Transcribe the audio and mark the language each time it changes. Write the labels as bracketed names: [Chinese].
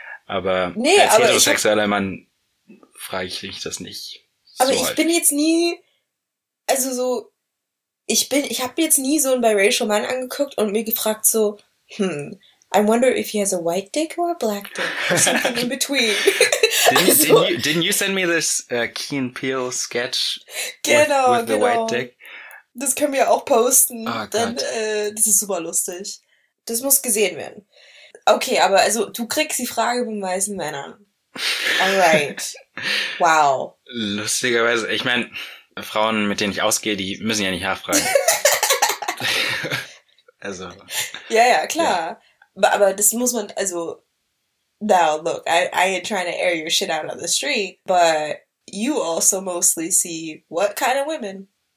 [German] Aber als heterosexueller Mann frage ich mich das nicht. Aber ich bin jetzt nie, also so, ich habe jetzt nie so einen biracial Mann angeguckt und mir gefragt so, [English] I wonder if he has a white dick or a black dick, something in between. didn't you send me this Keen Peele sketch with the white dick? [German] Das können wir auch posten. Oh, dann, das ist super lustig. Das muss gesehen werden. Okay, aber also du kriegst die Frage von weißen Männern. [English] Alright. Wow. [German] Lustigerweise, ich meine, Frauen, mit denen ich ausgehe, die müssen ja nicht nachfragen. Also. Ja, ja, klar. Ja. Aber das muss man, also, [English] now look, I ain't trying to air your shit out on the street, but you also mostly see what kind of women?